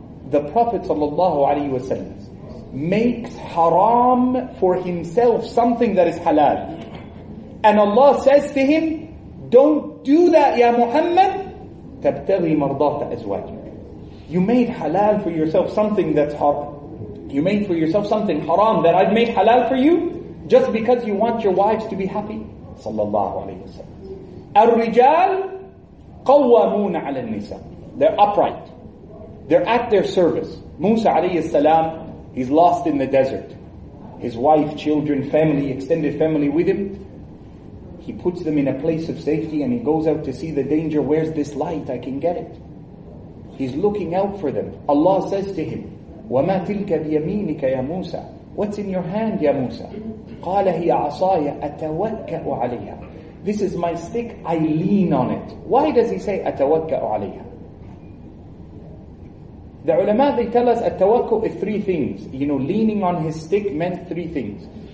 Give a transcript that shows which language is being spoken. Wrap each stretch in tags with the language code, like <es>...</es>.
<en>The Prophet ﷺ makes haram for himself something that is halal. And Allah says to him, don't do that, Ya Muhammad, تبتغي مرضات أزواجك. You made halal for yourself something that's haram. You made for yourself something haram that I've made halal for you just because you want your wives to be happy.</en> <ar>صلى الله عليه وسلم. الرجال قوامون على النساء.</ar> <en>They're upright. They're at their service. Musa عليه السلام, he's lost in the desert. His wife, children, family, extended family with him. He puts them in a place of safety and he goes out to see the danger. Where's this light? I can get it. He's looking out for them.</en> <ar>Allah says to him, وَمَا تِلْكَ بِيَمِينِكَ يَا مُوسَى.</ar> <en>What's in your hand, Ya Musa?</en> <ar>قَالَ هِيَ عَصَايَ أَتَوَكَّأُ عَلَيْهَا.</ar> <en>This is my stick, I lean on it. Why does he say أَتَوَكَّأُ عَلَيْهَا? The ulama, they tell us التوكل is three things. You know, leaning on his stick meant three things.</en>